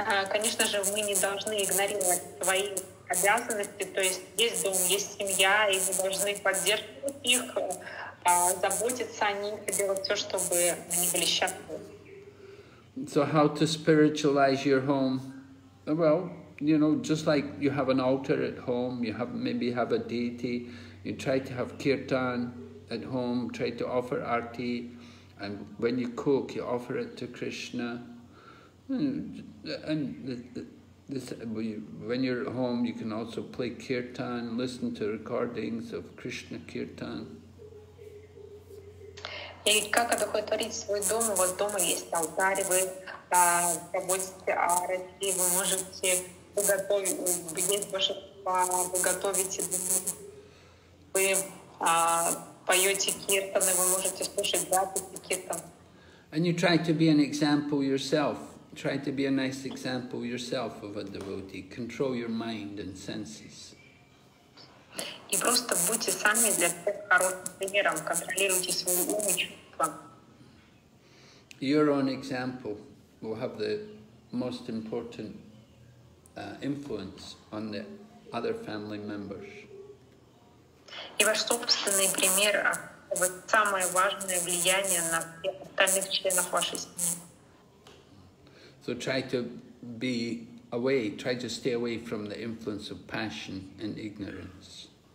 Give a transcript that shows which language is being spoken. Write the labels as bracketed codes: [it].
[ru] Конечно же, мы не должны игнорировать свои обязанности, то есть есть дом, есть семья, и мы должны поддерживать их, заботиться о них, делать все, чтобы они были счастливы. [en] So how to spiritualize your home? Well, you know, just like you have an altar at home, you have maybe have a deity, you try to have kirtan at home, try to offer arti, and when you cook, you offer it to Krishna. And this, when you're at home, you can also play kirtan, listen to recordings of Krishna kirtan. [ru] И как одухотворить свой дом? У вас дома есть алтарь, вы проводите арати, вы можете приготовить, вы готовите, вы поете киртаны, вы можете слушать записи киртан. [en] And you try to be an example yourself. Try to be a nice example yourself of a devotee. Control your mind and senses. [ru] И просто будьте сами для всех хорошим примером. Контролируйте свои умы и чувства. [en] Your own example will have the most important influence on the other family members. [ru] И ваш собственный пример – самое важное влияние на остальных членов вашей семьи. [en] So try to be away, try to stay away from the influence of passion and ignorance.